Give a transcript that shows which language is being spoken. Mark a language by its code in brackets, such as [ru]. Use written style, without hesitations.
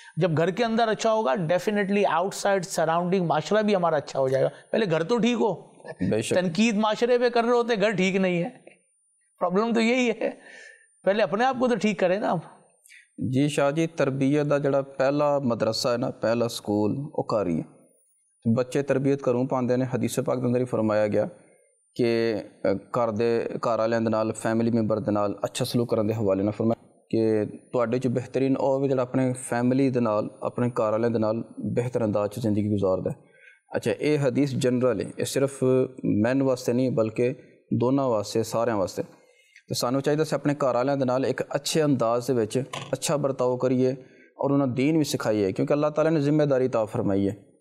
[ur] جب گھر کے اندر اچھا ہوگا [en] definitely outside surrounding [ur] معاشرہ بھی ہمارا اچھا ہو جائے گا. پہلے گھر تو ٹھیک ہو، بے شک تنقید معاشرے پہ کر رہے ہوتے، گھر ٹھیک نہیں ہے، پرابلم تو یہی ہے، پہلے اپنے آپ کو تو ٹھیک کریں نا. جی شاہ جی، تربیت کا جڑا پہلا مدرسہ ہے نا، پہلا سکول، وہ گھر ہی ہے. [pa] بچے تربیت کروں پاندے نے، حدیث پاک دے اندر ہی فرمایا گیا کہ گھر دے گھر والوں دے نال فیملی ممبر دے نال اچھا سلوک کرن دے حوالے نہ فرمایا کہ تواڈے چ بہترین او جڑا اپنے فیملی دے نال اپنے گھر والوں دے نال بہتر انداز چ زندگی گزاردا ہے. اچھا اے حدیث جنرل ہے، اے صرف مین واسطے نہیں بلکہ دونوں واسطے، ساریاں واسطے. تو سانو چاہیے سے اپنے گھر والوں کے نال ایک اچھے انداز دے وچ اچھا برتاؤ کریے اور انہاں دین بھی سکھائیے، کیونکہ اللہ تعالیٰ نے ذمہ داری عطا فرمائی ہے.